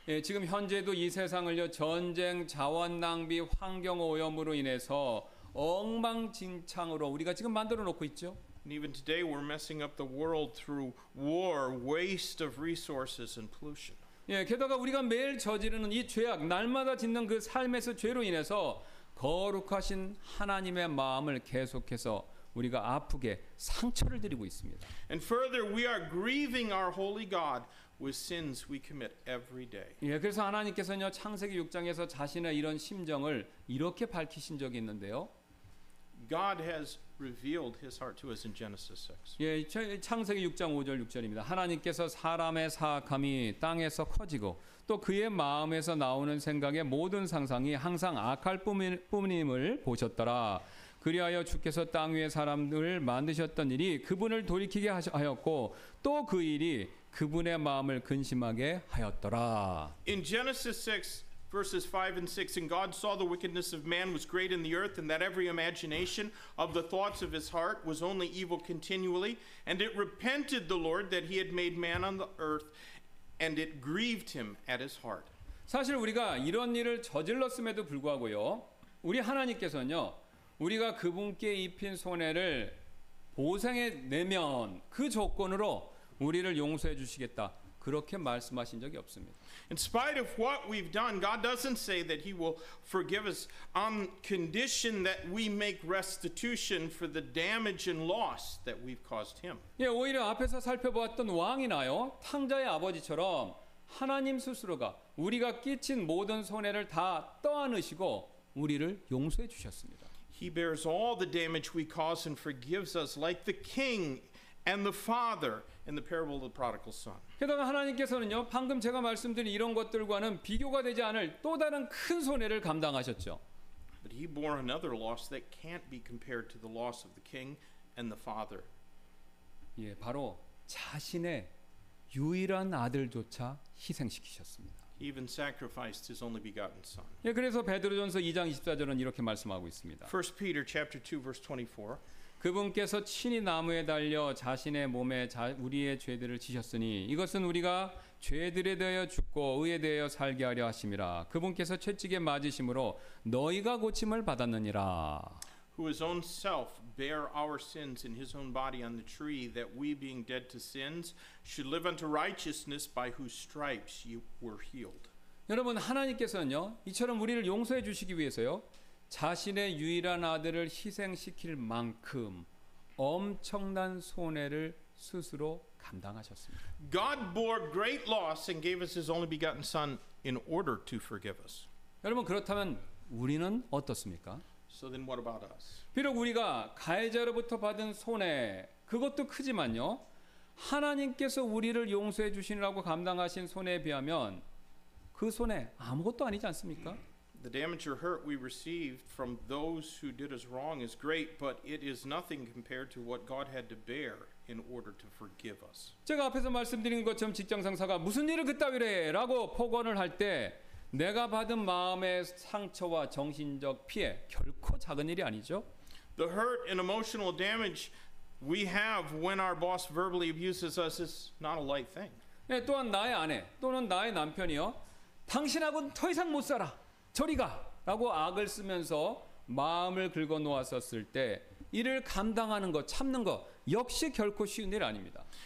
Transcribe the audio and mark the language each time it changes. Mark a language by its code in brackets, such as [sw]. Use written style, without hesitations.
[ko] 예, 지금 현재도 이 세상을요 전쟁, 자원 낭비, 환경 오염으로 인해서 엉망진창으로 우리가 지금 만들어 놓고 있죠. [en] And even today we're messing up the world through war, waste of resources and pollution. [ko] 예, 게다가 우리가 매일 저지르는 이 죄악, 날마다 짓는 그 삶에서 죄로 인해서 거룩하신 하나님의 마음을 계속해서 우리가 아프게 상처를 드리고 있습니다. [en] And further, we are grieving our holy God with sins we commit every day. [ko] 예, 그래서 하나님께서는요 창세기 6장에서 자신의 이런 심정을 이렇게 밝히신 적이 있는데요. [en] God has revealed his heart to us in Genesis 6. [ko] 예, 창세기 6장 5절 6절입니다. 하나님께서 사람의 사악함이 땅에서 커지고 또 그의 마음에서 나오는 생각의 모든 상상이 항상 악할 뿐임을 보셨더라. 그리하여 주께서 땅 위에 사람을 만드셨던 일이 그분을 돌이키게 하였고 또 그 일이 그분의 마음을 근심하게 하였더라. [en] In Genesis 6 verses 5 and 6, and God saw the wickedness of man was great in the earth, and that every imagination of the thoughts of his heart was only evil continually, and it repented the Lord that he had made man on the earth, and it grieved him at his heart. [ko] 사실 우리가 이런 일을 저질렀음에도 불구하고요, 우리 하나님께서는요, 우리가 그분께 입힌 손해를 보상해 내면 그 조건으로 우리를 용서해 주시겠다. 그렇게 말씀하신 적이 없습니다. [en] In spite of what we've done, God doesn't say that he will forgive us on condition that we make restitution for the damage and loss that we've caused him. [ko] 예, 오히려 앞에서 살펴보았던 왕이나요, 탕자의 아버지처럼 하나님 스스로가 우리가 끼친 모든 손해를 다 떠안으시고 우리를 용서해 주셨습니다. [en] He bears all the damage we cause and forgives us like the king and the father in the parable of the prodigal son. [ko] 게다가 하나님께서는요, 방금 제가 말씀드린 이런 것들과는 비교가 되지 않을 또 다른 큰 손해를 감당하셨죠. [en] But he bore another loss that can't be compared to the loss of the king and the father. [ko] 예, 바로 자신의 유일한 아들조차 희생시키셨습니다. [en] He even sacrificed his only begotten son. [ko] 예, 그래서 베드로전서 2장 24절은 이렇게 말씀하고 있습니다. [en] 1 Peter chapter 2 verse 24. [ko] 그분께서 친히 나무에 달려 자신의 몸에 우리의 죄들을 지셨으니 이것은 우리가 죄들에 대하여 죽고 의에 대하여 살게 하려 하심이라. 그분께서 채찍에 맞으심으로 너희가 고침을 받았느니라. [en] Who his own self bare our sins in his own body on the tree, that we being dead to sins should live unto righteousness, by whose stripes you were healed. [ko] 여러분, 하나님께서는요, 이처럼 우리를 용서해 주시기 위해서요, 자신의 유일한 아들을 희생시킬 만큼 엄청난 손해를 스스로 감당하셨습니다. [en] God bore great loss and gave us his only begotten son in order to forgive us. [ko] 여러분, 그렇다면 우리는 어떻습니까? [en] So then what about us? [ko] 비록 우리가 가해자로부터 받은 손해 그것도 크지만요, 하나님께서 우리를 용서해 주시느라고 감당하신 손해에 비하면 그 손해 아무것도 아니지 않습니까? [en] The damage or hurt we received from those who did us wrong is great, but it is nothing compared to what God had to bear in order to forgive us. [ko] 제가 앞에서 말씀드린 것처럼 직장 상사가 무슨 일을 그따위로 해라고 폭언을 할 때 내가 받은 마음의 상처와 정신적 피해 결코 작은 일이 아니죠. [en] The hurt and emotional damage we have when our boss verbally abuses us is not a light thing. [ko] 네, 또한 나의 아내 또는 나의 남편이요, 당신하고는 더 이상 못 살아 저리가 라고 악을 쓰면서 마음을 긁어 놓았었을 때 이를 감당하는 것 참는 것 역시 결코 쉬운 일 아닙니다.